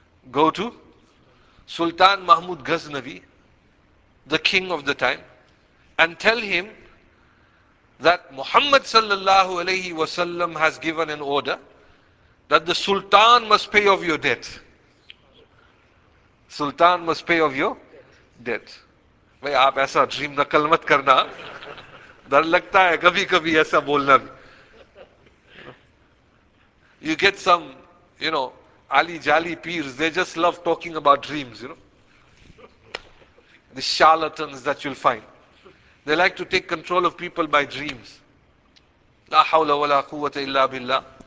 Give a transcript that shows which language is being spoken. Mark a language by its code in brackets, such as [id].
[en] Go to Sultan Mahmud Ghaznavi, the king of the time, and tell him that Muhammad sallallahu alayhi wa sallam has given an order that the Sultan must pay off your debt. Sultan must pay off your debt. [hi] भाई आप ऐसा dream नकल मत करना, डर लगता है कभी कभी ऐसा बोलना भी. [en] You get some, you know, Ali Jali peers, they just love talking about dreams, you know. The charlatans that you'll find. They like to take control of people by dreams. [ar] لا حول ولا قوة إلا بالله.